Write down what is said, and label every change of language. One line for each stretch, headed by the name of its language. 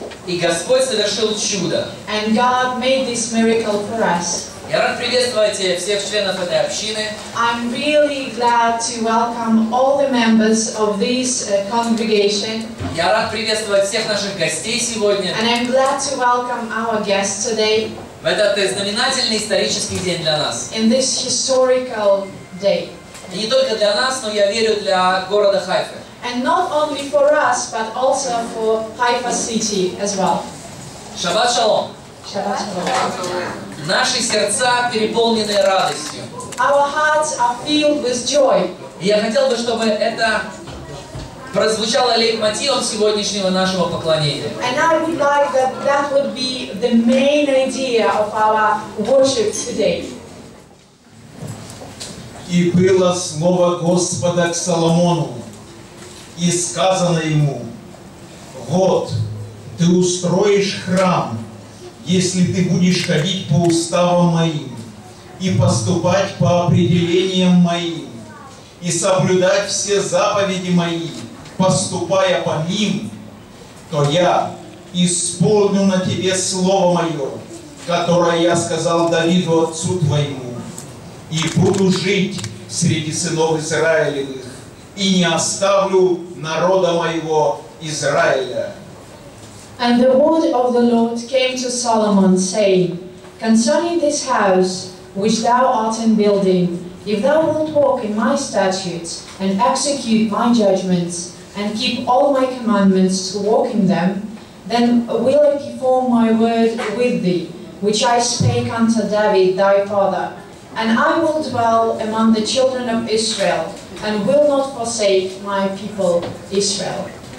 Russian: И Господь совершил чудо.
English: And God made this miracle for us.
Russian: Я рад приветствовать всех членов этой общины.
English: I'm really glad to welcome all the members of this congregation.
Russian: Я рад приветствовать всех наших гостей сегодня.
English: And I'm glad to welcome our guests today.
Russian: В этот знаменательный исторический день для нас.
English: In this historical day.
Russian: И не только для нас, но я верю для города Хайфа.
English: And not only for us, but also for Haifa City as well.
Hebrew: Шаббат шалом. Шаббат шалом.
Russian: Наши сердца переполнены радостью.
English: Our hearts are filled with joy.
Russian: И я хотел бы, чтобы это прозвучало лейтмотивом сегодняшнего нашего поклонения.
English: And I would like that that would be the main idea of our worship today.
Russian: И было слово Господа к Соломону. И сказано ему: вот, ты устроишь храм, если ты будешь ходить по уставам моим и поступать по определениям моим и соблюдать все заповеди мои, поступая по ним, то я исполню на тебе слово мое, которое я сказал Давиду отцу твоему, и буду жить среди сынов Израилевых, и не оставлю народа моего Израиля.
English: And the word of the Lord came to Solomon, saying, concerning this house which thou art in building, if thou wilt walk in my statutes, and execute my judgments, and keep all my commandments to walk in them, then will I perform my word with thee, which I spake unto David thy father, and I will dwell among the children of Israel, and will not forsake my people Israel.